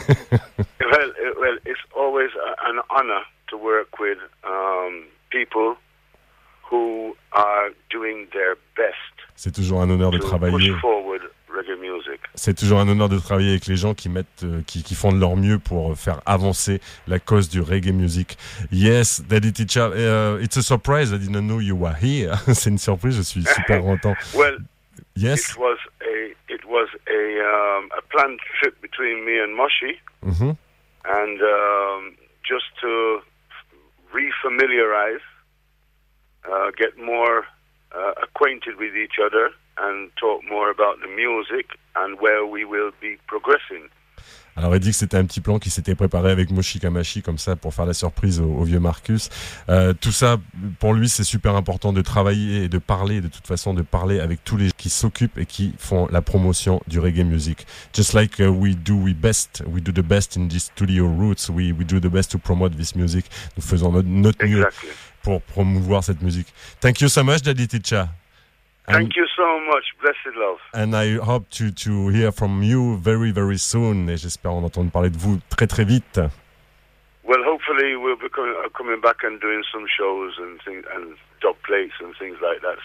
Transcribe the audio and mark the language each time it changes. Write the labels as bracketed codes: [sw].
[en] well, it's always an honor to work with people who are doing their best. [fr] C'est toujours un honneur de travailler. [en] Push forward reggae music. [fr] C'est toujours un honneur de travailler avec les gens qui font de leur mieux pour faire avancer la cause du reggae music. [en] Yes, Daditya, it's a surprise. I didn't know you were here. [fr] C'est une surprise. Je suis super content. [en] Well, yes. It was a planned trip between me and Moshi, and just to refamiliarize, get more acquainted with each other and talk more about the music and where we will be progressing. [fr] Alors, il dit que c'était un petit plan qui s'était préparé avec Moshi Kamashi, comme ça, pour faire la surprise au vieux Marcus. Tout ça, pour lui, c'est super important de travailler et de parler, de toute façon, de parler avec tous les gens qui s'occupent et qui font la promotion du reggae music. [en] Just like we do the best in this studio roots, we do the best to promote this music. [fr] Nous faisons notre mieux pour promouvoir cette musique. [en] Thank you so much, Daddy Ticha. Thank you so much. Blessed love. And I hope to hear from you very, very soon. [fr] Et j'espère en entendre parler de vous très, très vite. [en] Well, hopefully we'll be coming back and doing some shows and things, and dub plates and things like that.